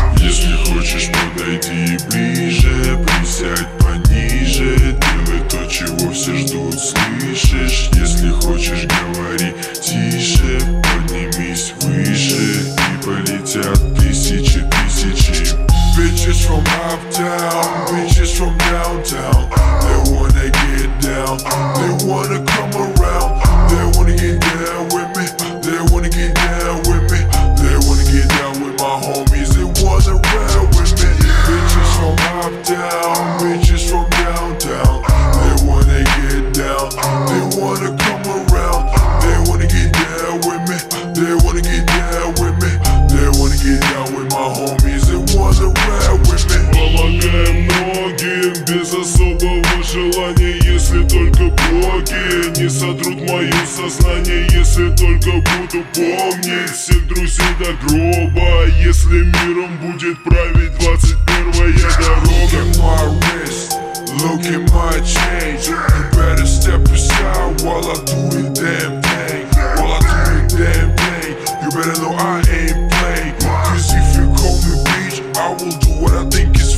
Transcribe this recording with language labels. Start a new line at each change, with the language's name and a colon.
Russian: Если хочешь подойти ближе, присядь пониже, делай то, чего все ждут, слышишь? Если хочешь, говори тише, поднимись выше, и полетят тысячи, тысячи.
English: Bitches from uptown, bitches from downtown. They wanna get down, they wanna come around. They wanna get down with me, they wanna get down with me. They wanna get down with my homies, it wasn't real with me. Bitches from uptown, bitches from downtown. They wanna get down, they wanna come around. They wanna get down with me, they wanna get down with me. They wanna get down with my homies, it wasn't real.
Russian: Помогаем многим без особого желания, если только боги не сотрут мое сознание. Если только буду помнить всех друзей до гроба, если миром будет править 21-я дорога.
English: Look at my wrist, look at my chain. You better step aside while I do the damn thing. While I do the damn thing, you better know I ain't play. Cause if you call me bitch, I will do what I think.